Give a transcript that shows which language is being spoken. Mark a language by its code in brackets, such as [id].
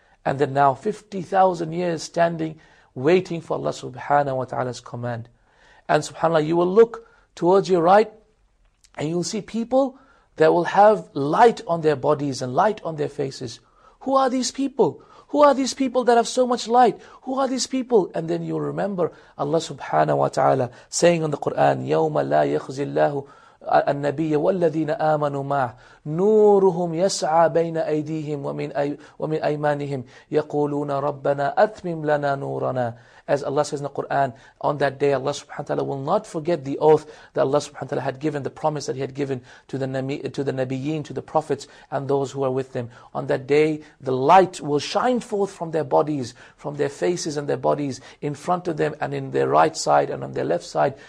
[en] And then now 50,000 years standing, waiting for Allah subhanahu wa ta'ala's command. And subhanAllah, you will look towards your right, and you'll see people that will have light on their bodies and light on their faces. Who are these people? Who are these people that have so much light? Who are these people? And then you'll remember Allah subhanahu wa ta'ala saying in the Quran, [ar] يَوْمَ لَا يَخْزِ اللَّهُ النَّبِيَّ وَالَّذِينَ آمَنُوا مَعْهُ نُورُهُمْ يَسْعَى بَيْنَ أَيْدِيهِمْ وَمِنْ أَيْمَانِهِمْ يَقُولُونَ رَبَّنَا أَتْمِمْ لَنَا نُورَنَا. [en] As Allah says in the Quran, on that day Allah subhanahu wa ta'ala will not forget the oath that Allah subhanahu wa ta'ala had given, the promise that He had given to the Nabiyeen, to the prophets and those who are with them. On that day, the light will shine forth from their bodies, from their faces and their bodies, in front of them and in their right side and on their left side.